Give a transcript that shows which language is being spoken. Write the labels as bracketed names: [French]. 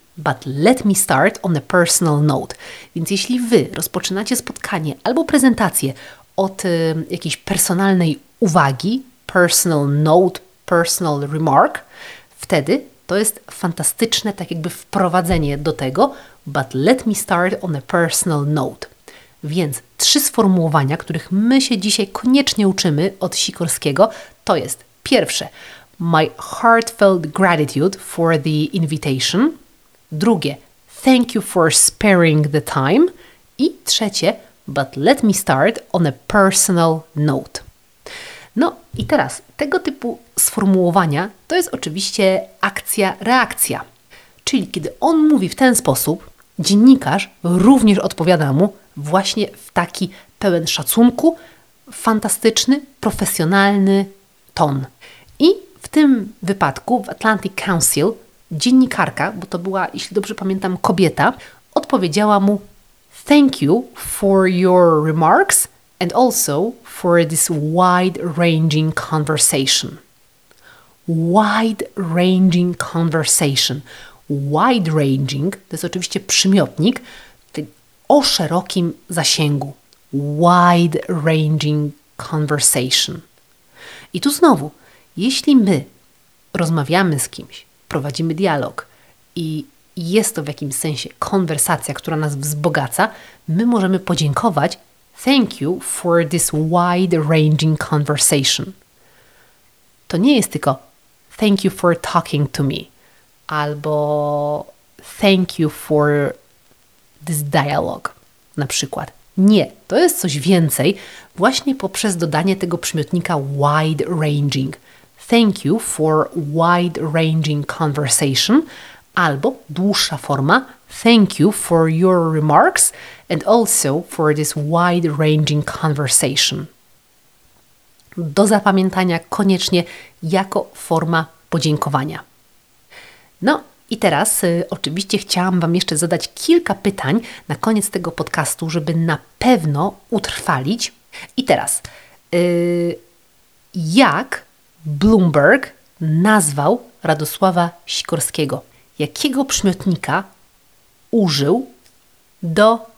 [English] But let me start on a personal note. [Polish] Więc jeśli Wy rozpoczynacie spotkanie albo prezentację od jakiejś personalnej uwagi, personal note, personal remark, wtedy to jest fantastyczne tak jakby wprowadzenie do tego. [English] But let me start on a personal note. [Polish] Więc trzy sformułowania, których my się dzisiaj koniecznie uczymy od Sikorskiego, to jest pierwsze, [English] my heartfelt gratitude for the invitation. Drugie, thank you for sparing the time. I trzecie, but let me start on a personal note. [Polish] No i teraz, tego typu sformułowania to jest oczywiście akcja-reakcja. Czyli kiedy on mówi w ten sposób, dziennikarz również odpowiada mu właśnie w taki pełen szacunku, fantastyczny, profesjonalny ton. I w tym wypadku w Atlantic Council dziennikarka, bo to była, jeśli dobrze pamiętam, kobieta, odpowiedziała mu [English] thank you for your remarks and also for this wide-ranging conversation. Wide-ranging conversation. [Polish] Wide-ranging to jest oczywiście przymiotnik o szerokim zasięgu. [English] Wide-ranging conversation. [Polish] I tu znowu, jeśli my rozmawiamy z kimś, prowadzimy dialog i jest to w jakimś sensie konwersacja, która nas wzbogaca, my możemy podziękować [English] thank you for this wide-ranging conversation. [Polish] To nie jest tylko [English] thank you for talking to me [Polish] albo [English] thank you for this dialogue [Polish] na przykład. Nie, to jest coś więcej właśnie poprzez dodanie tego przymiotnika wide-ranging. [English] Thank you for wide-ranging conversation [Polish] albo dłuższa forma [English] thank you for your remarks and also for this wide-ranging conversation. [Polish] Do zapamiętania koniecznie jako forma podziękowania. No i teraz oczywiście chciałam Wam jeszcze zadać kilka pytań na koniec tego podcastu, żeby na pewno utrwalić. I teraz, jak Bloomberg nazwał Radosława Sikorskiego? Jakiego przymiotnika użył do